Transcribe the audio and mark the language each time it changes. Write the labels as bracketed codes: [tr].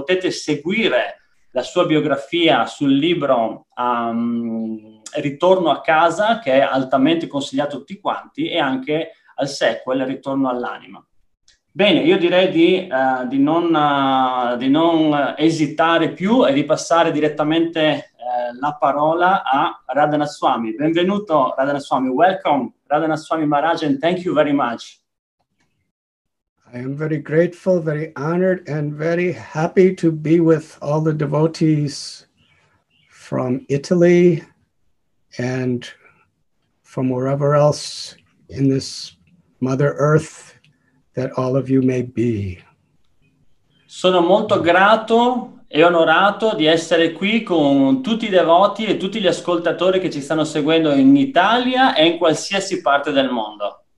[it] Potete seguire la sua biografia sul libro Ritorno a casa, che è altamente consigliato a tutti quanti, e anche al sequel Ritorno all'anima. Bene, io direi di non esitare più e di passare direttamente la parola a Radhanath Swami. Benvenuto Radhanath Swami, [en] welcome Radhanath Swami Maharaj and thank you very much. I am very grateful, very honored, and very happy to be with all the devotees from Italy and from wherever else in this Mother Earth that all of you may be. [it] Sono molto grato e onorato di essere qui con tutti i devoti e tutti gli ascoltatori che ci stanno seguendo in Italia e in qualsiasi parte del mondo.